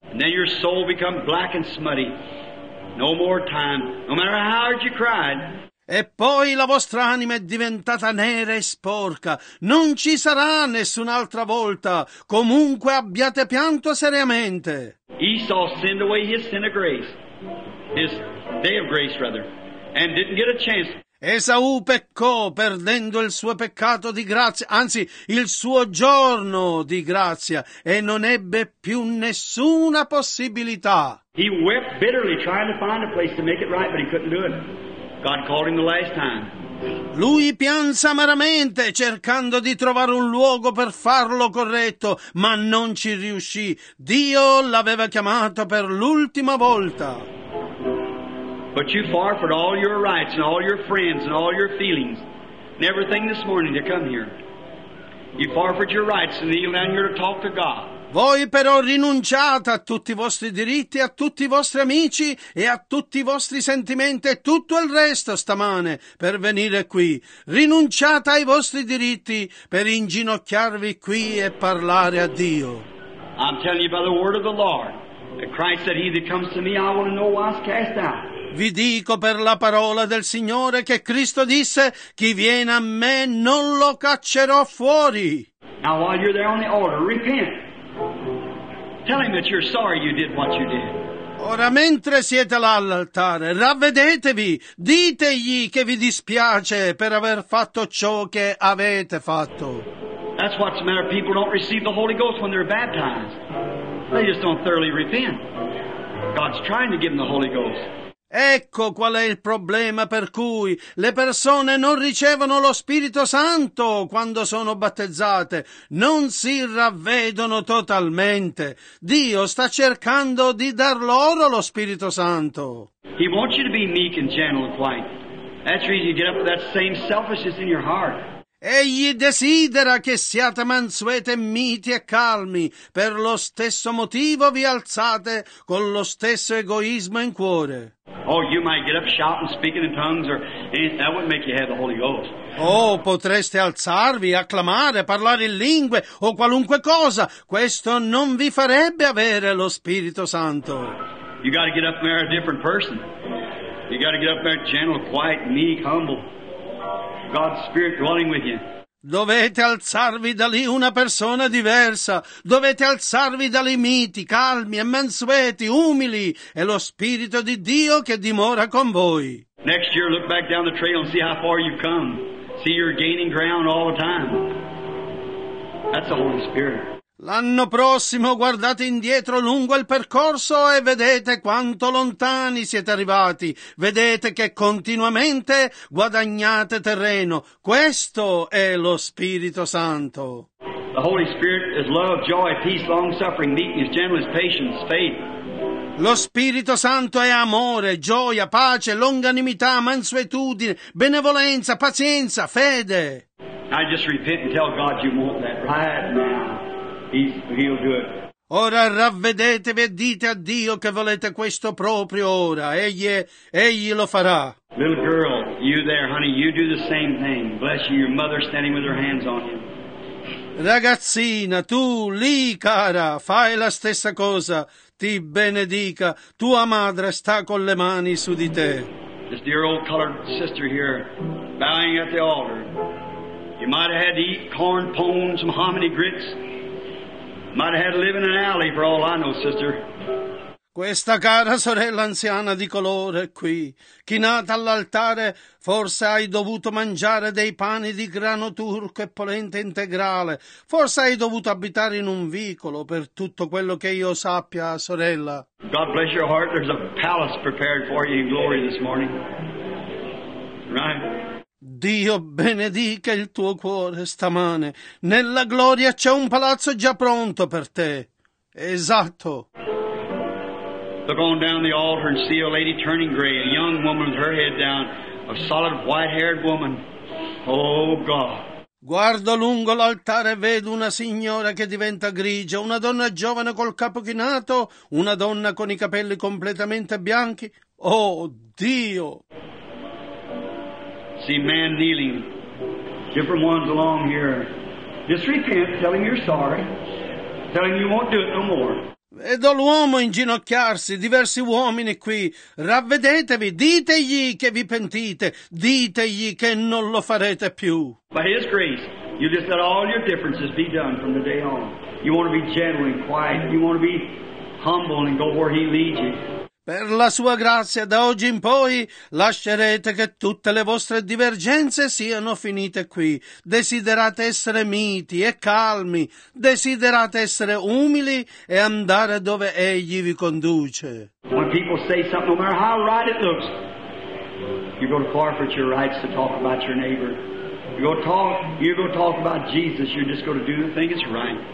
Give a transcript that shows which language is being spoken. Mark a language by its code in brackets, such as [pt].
[en] And then your soul become black and smutty. No more time. No matter how hard you cried. [it] E poi la vostra anima è diventata nera e sporca. Non ci sarà nessun'altra volta. Comunque abbiate pianto seriamente. [en] Esau sent away his sin of grace. His day of grace, rather. And didn't get a chance. [it] Esau peccò perdendo il suo peccato di grazia, anzi il suo giorno di grazia, e non ebbe più nessuna possibilità. [en] He wept bitterly trying to find a place to make it right, but he couldn't do it. God called him the last time. [it] Lui pianse amaramente cercando di trovare un luogo per farlo corretto, ma non ci riuscì. Dio l'aveva chiamato per l'ultima volta. [en] But you forfeited all your rights and all your friends and all your feelings and everything this morning to come here. You forfeited your rights to kneel down here to talk to God. [it] Voi però rinunciate a tutti i vostri diritti, a tutti i vostri amici e a tutti i vostri sentimenti e tutto il resto stamane per venire qui. Rinunciate ai vostri diritti per inginocchiarvi qui e parlare a Dio. [en] I'm telling you by the word of the Lord, that Christ said, he that comes to me, I will in no wise cast out. [it] Vi dico per la parola del Signore che Cristo disse, chi viene a me non lo caccerò fuori. [en] Now while you're there on the altar, repent. Tell him that you're sorry you did what you did. [it] Ora mentre siete là all'altare, ravvedetevi, ditegli che vi dispiace per aver fatto ciò che avete fatto. [en] That's what's the matter. People don't receive the Holy Ghost when they're baptized. They just don't thoroughly repent. God's trying to give them the Holy Ghost. [it] Ecco qual è il problema per cui le persone non ricevono lo Spirito Santo quando sono battezzate, non si ravvedono totalmente. Dio sta cercando di dar loro lo Spirito Santo. [en] He wants you to be meek and gentle and quiet. That's the reason you get up with that same selfishness in your heart. [it] Egli desidera che siate mansuete, miti e calmi. Per lo stesso motivo vi alzate con lo stesso egoismo in cuore. [en] Oh, you might get up shouting, speaking in tongues, or that wouldn't make you have the Holy Ghost. [it] Oh, potreste alzarvi, acclamare, parlare in lingue o qualunque cosa. Questo non vi farebbe avere lo Spirito Santo. [en] You got to get up and marry a different person. You got to get up there gentle, quiet, meek, humble. God's Spirit dwelling with you. [it] Dovete alzarvi da lì una persona diversa. Dovete alzarvi da lì miti, calmi e mansueti, umili. È lo Spirito di Dio che dimora con voi. [en] Next year, look back down the trail and see how far you've come. See you're gaining ground all the time. That's the Holy Spirit. [it] L'anno prossimo guardate indietro lungo il percorso e vedete quanto lontani siete arrivati. Vedete che continuamente guadagnate terreno. Questo è lo Spirito Santo. [en] The Holy Spirit is love, joy, peace, long-suffering, meekness, gentleness, patience, faith. [it] Lo Spirito Santo è amore, gioia, pace, longanimità, mansuetudine, benevolenza, pazienza, fede. [en] I just repent and tell God you want that right now. He'll do it. [it] Ora ravvedetevi e dite a Dio che volete questo proprio ora. Egli lo farà. [en] Little girl, you there, honey, you do the same thing. Bless you, your mother standing with her hands on you. [it] Ragazzina, tu lì, cara, fai la stessa cosa. Ti benedica. Tua madre sta con le mani su di te. [en] This dear old colored sister here, bowing at the altar. You might have had to eat corn, pone, some hominy grits. Might have had to live in an alley for all I know, sister. [it] Questa cara sorella anziana di colore qui, chinata all'altare, forse hai dovuto mangiare dei pani di grano turco e polenta integrale. Forse hai dovuto abitare in un vicolo, per tutto quello che io sappia, sorella. [en] God bless your heart. There's a palace prepared for you in glory this morning. Right? [it] Dio benedica il tuo cuore stamane. Nella gloria c'è un palazzo già pronto per te. Esatto. [en] Look on down the altar and see a lady turning gray, a young woman with her head down, a solid white-haired woman. Oh God. [it] Guardo lungo l'altare e vedo una signora che diventa grigia, una donna giovane col capo chinato, una donna con i capelli completamente bianchi. Oh Dio. [en] See man kneeling, different ones along here. Just repent, telling you're sorry, telling you won't do it no more. [it] Vedo l'uomo inginocchiarsi, diversi uomini qui. Ravvedetevi, ditegli che vi pentite, ditegli che non lo farete più. [en] By His grace, you just let all your differences be done from the day on. You want to be gentle and quiet. You want to be humble and go where He leads you. [it] Per la sua grazia, da oggi in poi, lascerete che tutte le vostre divergenze siano finite qui. Desiderate essere miti e calmi. Desiderate essere umili e andare dove Egli vi conduce. [en] When people say something, no matter how right it looks, you go to forfeit your rights to talk about your neighbor. You go talk about Jesus, you're just going to do the thing that's right.